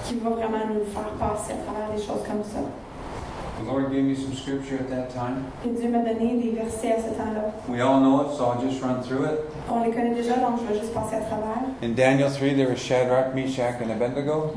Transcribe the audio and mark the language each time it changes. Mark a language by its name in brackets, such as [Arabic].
[French] Qui va vraiment nous faire passer à travers des choses comme ça. [English] The Lord gave me some scripture at that time. [French] Et Dieu m'a donné des versets à ce temps-là. [English] We all know it, so I'll just run through it. [French] On les connaît déjà, donc je vais juste passer à travers. [English] In Daniel 3, there was Shadrach, Meshach, and Abednego.